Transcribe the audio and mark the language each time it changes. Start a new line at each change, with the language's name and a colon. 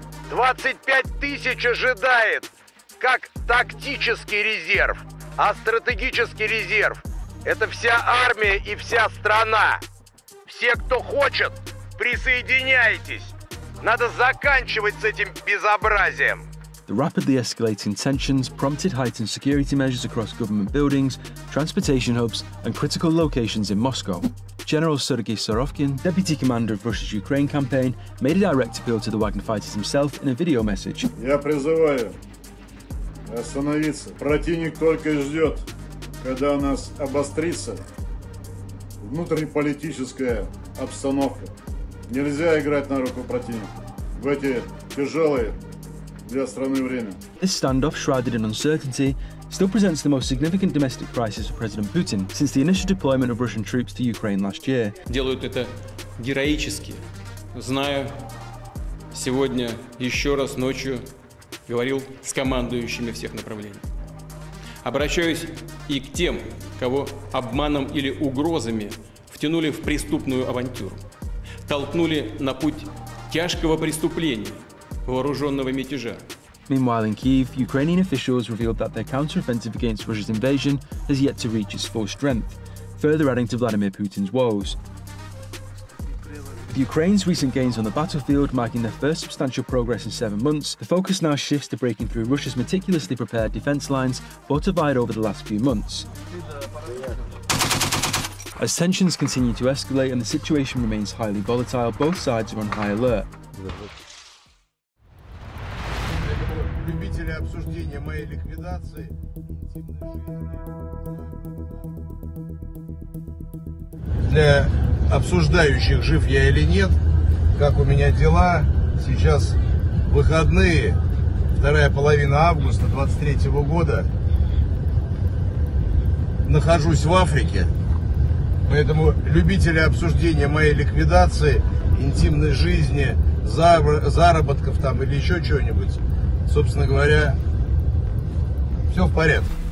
Russian: 25 тысяч ожидает как тактический резерв, а стратегический резерв – это вся армия и вся страна. Все, кто хочет, присоединяйтесь. Надо заканчивать с этим безобразием.
English: The rapidly escalating tensions prompted heightened security measures across government buildings, transportation hubs, and critical locations in Moscow. General Sergei Sorovkin, deputy commander of Russia's Ukraine campaign, made a direct appeal to the Wagner fighters himself in a video message.
Russian: Я призываю остановиться. Противник только ждет, когда у нас обострится внутриполитическая обстановка. Нельзя играть на руку противника в эти тяжелые
English: This standoff, shrouded in uncertainty, still presents the most significant domestic crisis for President Putin since the initial deployment of Russian troops to Ukraine last year.
Russian: Делают это героически, зная, сегодня еще раз ночью говорил с командующими всех направлений. Обращаюсь и к тем, кого обманом или угрозами втянули в преступную авантюру, толкнули на путь тяжкого преступления.
English: Meanwhile in Kyiv, Ukrainian officials revealed that their counteroffensive against Russia's invasion has yet to reach its full strength, further adding to Vladimir Putin's woes. With Ukraine's recent gains on the battlefield marking their first substantial progress in 7 months, the focus now shifts to breaking through Russia's meticulously prepared defense lines fortified over the last few months. As tensions continue to escalate and the situation remains highly volatile, both sides are on high alert.
Russian: Обсуждение моей ликвидации. Для обсуждающих, жив я или нет, как у меня дела, сейчас выходные, вторая половина августа 23 года, нахожусь в Африке, поэтому любители обсуждения моей ликвидации, интимной жизни, заработков там или еще чего-нибудь, собственно говоря, все в порядке.